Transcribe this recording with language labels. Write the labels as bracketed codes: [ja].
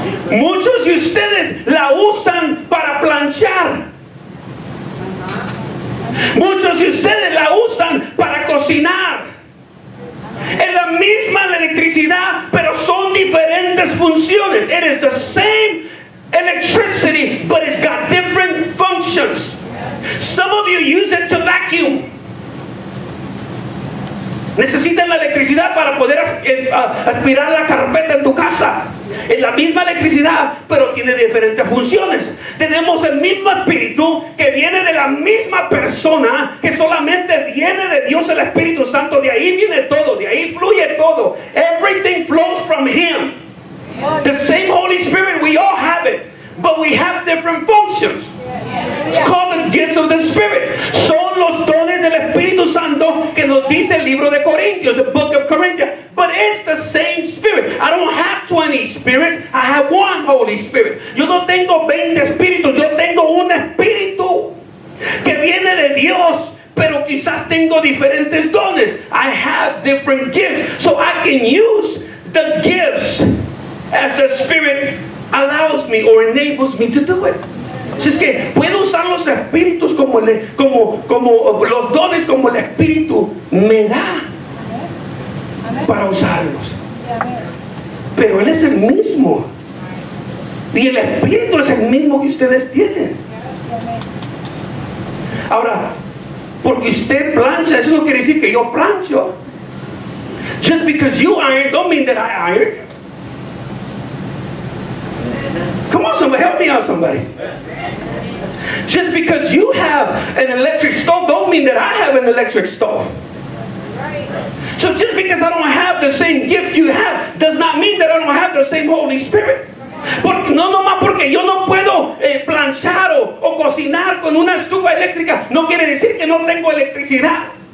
[es] Muchos de ustedes la usan para planchar. Muchos de ustedes la usan para cocinar. Es la misma electricidad, pero son diferentes funciones. [en] It is the same electricity, but it's got different functions. Some of you use it to vacuum. [es] Necesitan la electricidad para poder aspirar la carpeta en tu casa. Es la misma electricidad, pero tiene diferentes funciones. Tenemos el mismo espíritu que viene de la misma persona, que solamente viene de Dios el Espíritu Santo. De ahí viene todo, de ahí fluye todo. [en] Everything flows from Him. The same Holy Spirit, we all have it, but we have different functions. It's called the gifts of the Spirit. [es] Son los dones del Espíritu Santo que nos dice el libro de Corintios, [en] the book of Corinthians. But it's the same Spirit. I don't have 20 spirits. I have one Holy Spirit. [es] Yo no tengo 20 espíritus. Yo tengo un espíritu que viene de Dios, pero quizás tengo diferentes dones. [en] I have different gifts. So I can use the gifts as the Spirit allows me or enables me to do it. [es] Si es que puedo usar los espíritus como los dones como el Espíritu me da para usarlos. Pero Él es el mismo. Y el Espíritu es el mismo que ustedes tienen. Ahora, porque usted plancha, eso no quiere decir que yo plancho. [en] Just because you iron, don't mean that I iron. Come on, somebody, help me out, somebody. Just because you have an electric stove don't mean that I have an electric stove. Right. So just because I don't have the same gift you have does not mean that I don't have the same Holy Spirit. [es] Porque, no nomás porque yo no puedo planchar o cocinar con una estufa eléctrica no quiere decir que no tengo electricidad.